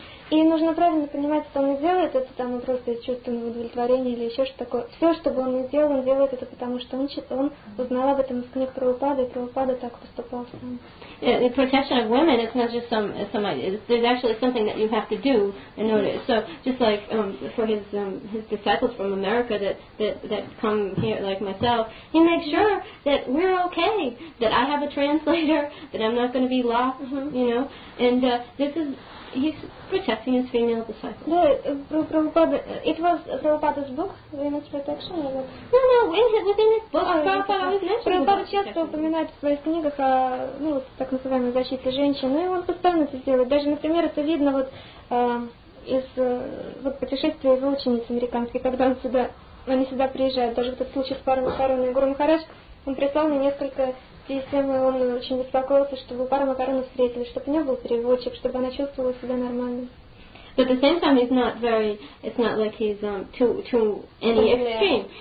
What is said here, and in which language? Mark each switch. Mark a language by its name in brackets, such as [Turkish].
[Russian] И нужно правильно понимать, что он не делает это там просто из чувства удовлетворения или еще что такое. Все, что бы он ни делал, он делает это потому, что он узнал об этом из книг Прабхупады, и Прабхупада так поступал с ним. [English] The protection of women, it's not just there's actually something that you have to do in order. So just like for his disciples from America that come here, like myself, he makes sure that we're okay, that I have a translator, that I'm not going to be lost, you know. And he's protecting his female disciples. No, it was Prabhupada's book, Women's Protection, or what? No, within his book, Prabhupada always mentioned. [Russian] Prabhupada часто упоминает в своих книгах о, ну, так называемой защите женщин, и он постоянно это делает. Даже, например, это видно вот из вот путешествия его учениц американских, когда они сюда приезжают. Даже вот этот случай с Пару Макаруна и Гуру Махарадж, он прислал мне несколько писем, и он очень беспокоился, чтобы Пару Макаруну встретили, чтобы у него был переводчик, чтобы она чувствовала себя нормально. [English] But at the same time, it's not like he's too any extreme.